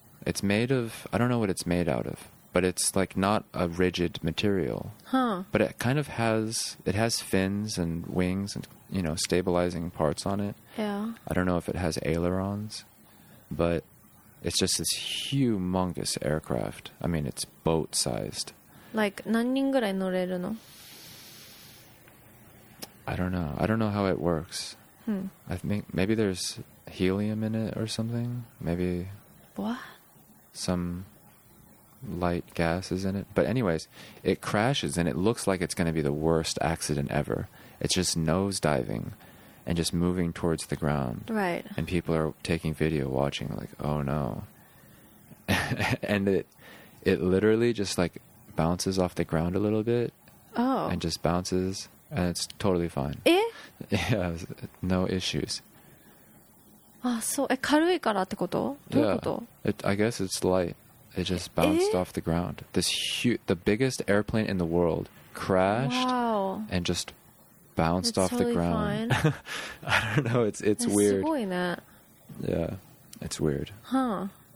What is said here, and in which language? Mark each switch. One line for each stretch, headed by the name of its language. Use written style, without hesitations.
English: It's made of, I don't know what it's made out of, but it's like not a rigid material. Huh. But it kind of has, it has fins and wings and, you know, stabilizing parts on it. Yeah. I don't know if it has ailerons, but it's just this humongous aircraft. I mean, it's boat sized.
Japanese: Like, 何人ぐらい乗れるの?
English: I don't know. I don't know how it works. Hmm. I think maybe there's helium in it or something. Maybe what? Some light gas is in it. But anyways, it crashes and it looks like it's going to be the worst accident ever. It's just nosediving and just moving towards the ground. Right. And people are taking video watching like, oh no. And it literally just like bounces off the ground a little bit. Oh. And just bounces and it's totally fine. Eh? Yeah, no issues.
Japanese: Ah, so, え、軽いからってこと？どういうこと？
English: I guess it's light. It just bounced off the ground. This huge, the biggest airplane in the world crashed wow. and just bounced it's off totally the ground. Fine. I don't know, it's weird.
Japanese: すごいね。
English: Yeah, it's weird. Huh.